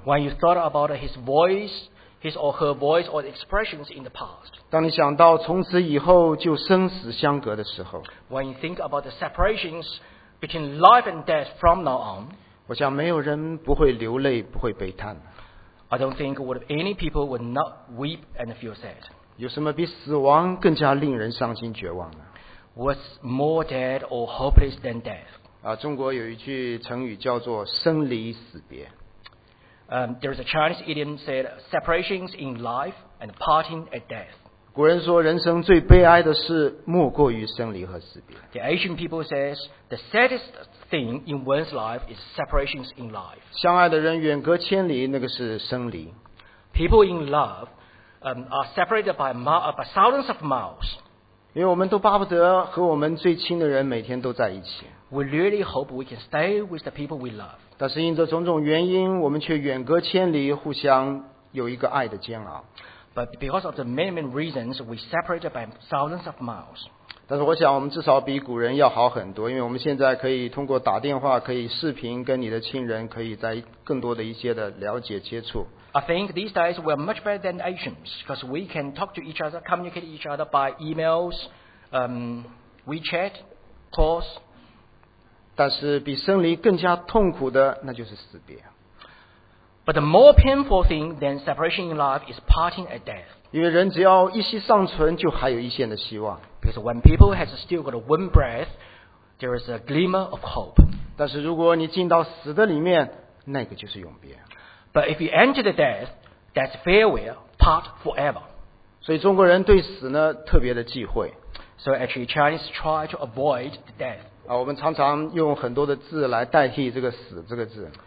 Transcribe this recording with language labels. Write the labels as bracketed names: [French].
[English] When you thought about his voice, his or her voice or expressions in the past. [Chinese] 当你想到从此以后就生死相隔的时候。 [English] When you think about the separations between life and death from now on. [Chinese] 我想没有人不会流泪，不会悲叹。 [English] I don't think any people would not weep and feel sad. [Chinese] 有什么比死亡更加令人伤心绝望呢？ [English] What's more dead or hopeless than death? [Chinese] 中国有一句成语叫做生离死别。 [English] There is a Chinese idiom said separations in life and parting at death. [Chinese] 古人说人生最悲哀的事莫过于生离和死别。 [English] The ancient people says the saddest thing in one's life is separations in life. [Chinese] 相爱的人远隔千里，那个是生离。 [English] People in love, are separated by thousands of miles. [Chinese] 因为我们都巴不得和我们最亲的人每天都在一起。 [English] We really hope we can stay with the people we love. [Chinese] 但是因着种种原因，我们却远隔千里，互相有一个爱的煎熬。 [English] But because of the many reasons, we separated by thousands of miles. [Chinese] 但是我想我们至少比古人要好很多，因为我们现在可以通过打电话，可以视频跟你的亲人，可以在更多的一些的了解接触。 [English] I think these days we are much better than ancients, because we can talk to each other, communicate each other by emails, WeChat, calls. [Chinese] 但是比生离更加痛苦的那就是死别。 [English] But the more painful thing than separation in life is parting at death. [Chinese] 因为人只要一息尚存，就还有一线的希望。 [English] Because when people has still got one breath, there is a glimmer of hope. [Chinese] 但是如果你进到死的里面，那个就是永别。 [English] But if you enter the death, that's farewell, part forever. [Chinese] 所以中国人对死呢特别的忌讳。 [English] So actually Chinese try to avoid the death. [Chinese] 我们常常用很多的字来代替这个死这个字。